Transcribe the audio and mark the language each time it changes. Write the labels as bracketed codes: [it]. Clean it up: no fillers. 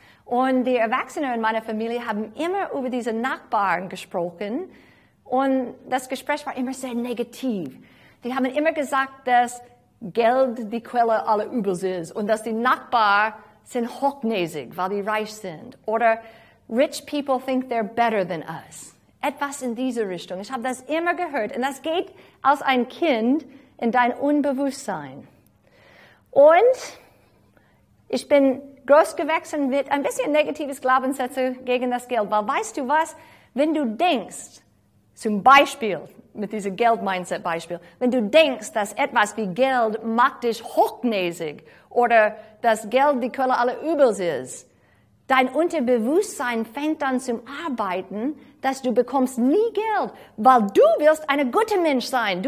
[de] Und die Erwachsene in meiner Familie haben immer über diese Nachbarn gesprochen. Und das Gespräch war immer sehr negativ. Die haben immer gesagt, dass Geld die Quelle aller Übels ist. Und dass die Nachbar sind hochnäsig, weil die reich sind. Oder [en] rich people think they're better than us. [de] Etwas in diese Richtung. Ich habe das immer gehört. Und das geht als ein Kind in dein Unbewusstsein. Und ich bin groß gewachsen mit ein bisschen negatives Glaubenssätze gegen das Geld. Weil weißt du was? Wenn du denkst, zum Beispiel mit diesem Geld-Mindset-Beispiel, wenn du denkst, dass etwas wie Geld macht dich hochnäsig oder dass Geld die Quelle aller Übels ist, dein Unterbewusstsein fängt an zum Arbeiten, dass du bekommst nie Geld, weil du willst ein guter Mensch sein.